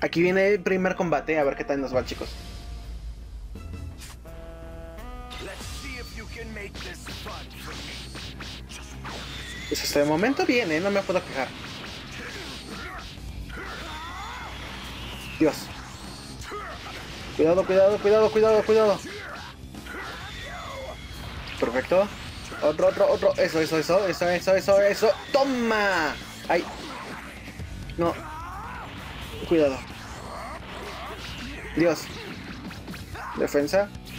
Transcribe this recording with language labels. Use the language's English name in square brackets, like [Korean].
[Spanish] Aquí viene el primer combate, a ver qué tal nos va, chicos. [English] Let's see if you can make this fun for me. [Spanish] Pues hasta el momento bien, no me puedo quejar. Dios. Cuidado, cuidado, cuidado, cuidado, cuidado. Perfecto. Otro, otro, otro. Eso, eso, eso, eso, eso, eso, eso. ¡Toma! ¡Ay! No. Cuidado. Dios. Defensa.